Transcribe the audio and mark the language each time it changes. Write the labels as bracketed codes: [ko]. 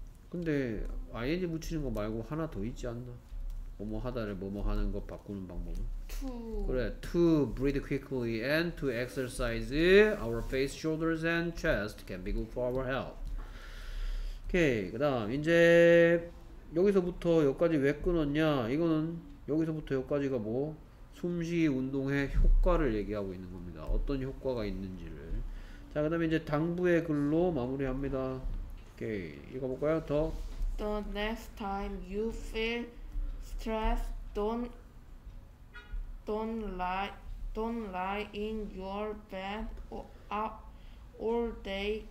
[ko] 근데 ing 붙이는 거 말고 하나 더 있지 않나? 뭐뭐 하다를 뭐뭐 하는 거 바꾸는 방법은? [en] To 그래, to breathe quickly and to exercise our face, shoulders and chest can be good for our health. [ko] 오케이. 그 다음 이제 여기서부터 여기까지 왜 끊었냐? 이거는 여기서부터 여기까지가 뭐? 숨쉬 운동의 효과를 얘기하고 있는 겁니다. 어떤 효과가 있는지를. 자, 그 다음에 이제 당부의 글로 마무리합니다. 오케이. 읽어볼까요? 더 [en] The next time you feel stress, don't lie in your bed all day.